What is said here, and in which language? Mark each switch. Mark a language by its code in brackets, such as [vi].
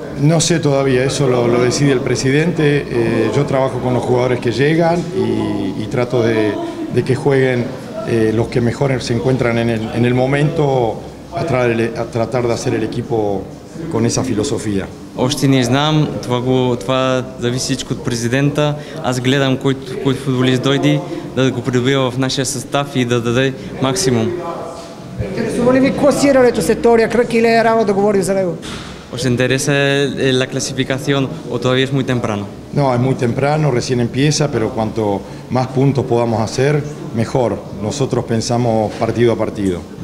[es] No sé todavía, eso lo decide el presidente. Yo trabajo con los jugadores que llegan y trato de que jueguen los que mejor se encuentran en el momento a tratar de hacer el equipo con esa filosofía. [bg] Още не знам, това зависи всичко от президента. Аз гледам кой футболист дойде да го придобива в нашия състав и да даде максимум. Интересува ли ви класирането се втория кръг или е рано да говорим за него? [es] ¿Os interesa la clasificación o todavía es muy temprano? No, es muy temprano, recién empieza, pero cuanto más puntos podamos hacer, mejor. Nosotros pensamos partido a partido.